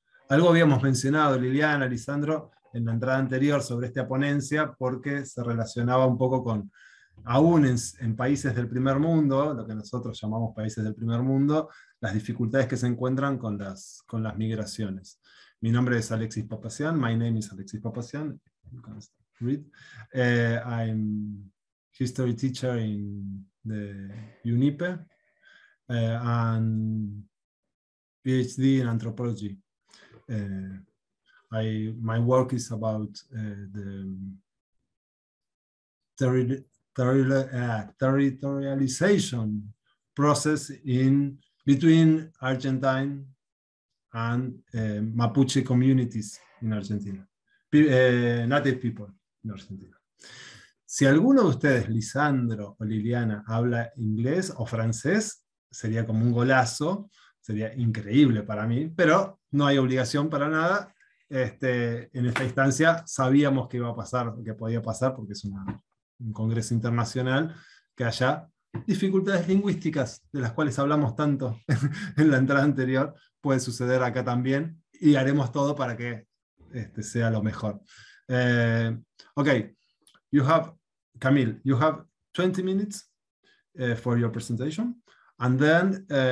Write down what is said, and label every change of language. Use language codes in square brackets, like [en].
[es] Algo habíamos mencionado, Liliana, Lisandro, en la entrada anterior sobre esta ponencia, porque se relacionaba un poco con... Aún en países del primer mundo, lo que nosotros llamamos países del primer mundo, las dificultades que se encuentran con las migraciones. Mi nombre es Alexis Papasian. [en] My name is Alexis Papasian. You can read. I'm history teacher in the UNIPE and PhD in anthropology. My work is about the territorialization process in between Argentine and Mapuche communities in Argentina, native people in Argentina. [es] Si alguno de ustedes, Lisandro o Liliana, habla inglés o francés, sería como un golazo, sería increíble para mí, pero no hay obligación para nada. En esta instancia sabíamos que iba a pasar, que podía pasar, porque es un congreso internacional, que haya dificultades lingüísticas, de las cuales hablamos tanto en la entrada anterior, puede suceder acá también, y haremos todo para que sea lo mejor. [en] Ok, you have, Camille, you have 20 minutes for your presentation, and then